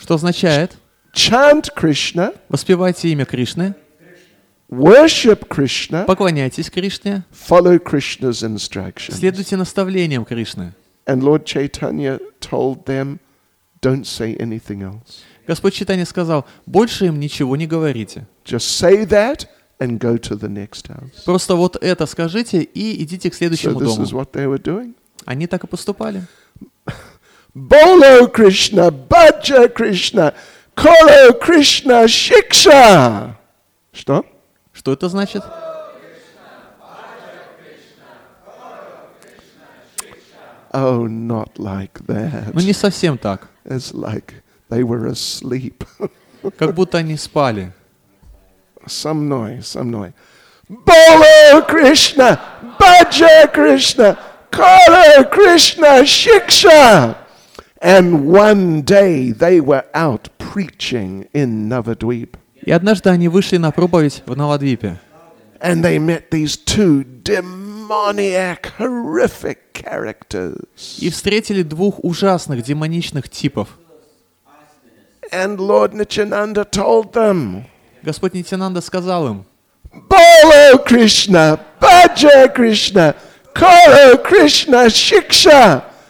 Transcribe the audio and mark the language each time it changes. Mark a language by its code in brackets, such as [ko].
[ru] что означает? [en] Chant Krishna. [ru] Воспевайте имя Кришны. [en] Worship Krishna. [ru] Поклоняйтесь Кришне. [en] Follow Krishna's instructions. [ru] Следуйте наставлениям Кришны. [en] And Lord Chaitanya told them, don't say anything else. [ru] Господь Читания сказал, больше им ничего не говорите. [en] Just say that and go to the next house. [ru] Просто вот это скажите и идите к следующему дому. [en] So this is what they were doing. [ru] Они так и поступали. [bn] Bolo Krishna, Bhaja Krishna. Коро Кришна Шикша! [ru] Что? Что это значит? [en] Oh, not like that. [ru] Ну, не совсем так. [en] It's like they were asleep. [ru] Как будто они спали. Со мной, со мной. [bn] Bolo Krishna, Bhaja Krishna, Kala Krishna, Shiksha. [en] And one day they were out preaching in Navadvip. [ru] И однажды они вышли на проповедь в Навадвипе. [en] And they met these two demoniac, horrific characters. [ru] И встретили двух ужасных, демоничных типов. [en] And Lord Nityananda told them. [ru] Господь Нитянанда сказал им. [bn] Bolo Krishna, Bhaja Krishna, Kala Krishna, Shiksha.